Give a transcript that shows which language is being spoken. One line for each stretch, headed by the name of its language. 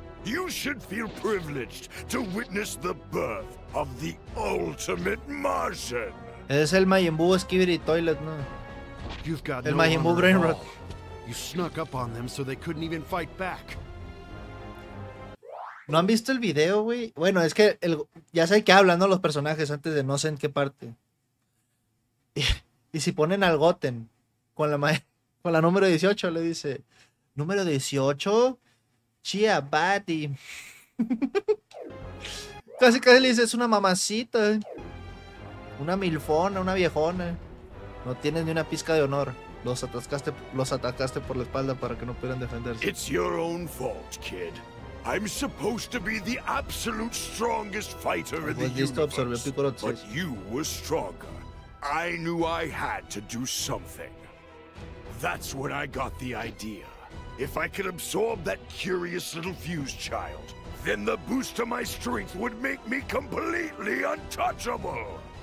English: You should feel privileged to witness the birth of the ultimate Majin.
Spanish: Es el Majin Buu Skibidi Toilet, ¿no?
English: You've got
Spanish: el Majin Buu Brain Rot.
English: You snuck up on them so they couldn't even fight back.
Spanish: ¿No han visto el video, güey? Bueno, es que el, ya sé que hablan, ¿no?, los personajes antes de no sé en qué parte. Y si ponen al Goten con la número 18, le dice: ¿número 18? Chia Bati. Casi casi le dice: es una mamacita. Una milfona, una viejona. No tienes ni una pizca de honor. Los atacaste por la espalda para que no pudieran defenderse.
English: It's your own fault, kid. I'm supposed to be the absolute strongest fighter in the universe, but you were stronger. I knew I had to do something. That's when I got the idea. If I could absorb that curious little fused child, then the boost to my strength would make me completely untouchable.